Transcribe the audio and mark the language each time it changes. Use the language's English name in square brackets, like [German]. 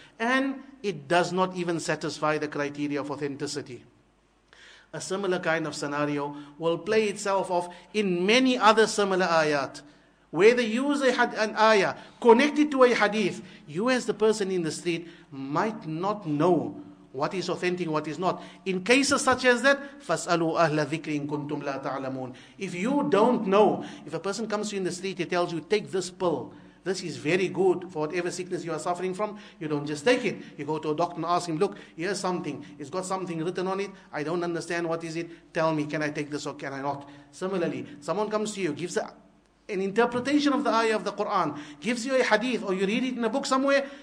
[English] And it does not even satisfy the criteria of authenticity. A similar kind of scenario will play itself off in many other similar ayat, where they use an ayah connected to a hadith. You as the person in the street might not know what is authentic, what is not. In cases such as that, [Arabic] فَاسْأَلُوا أَهْلَ ذِكْرِ إِن كُنْتُمْ لَا تَعْلَمُونَ. [English] If you don't know, if a person comes to you in the street, he tells you, take this pill. This is very good for whatever sickness you are suffering from. You don't just take it. You go to a doctor and ask him, look, here's something. It's got something written on it. I don't understand. What is it? Tell me, can I take this or can I not? Similarly, someone comes to you, gives an interpretation of the ayah of the Quran, gives you a hadith, or you read it in a book somewhere.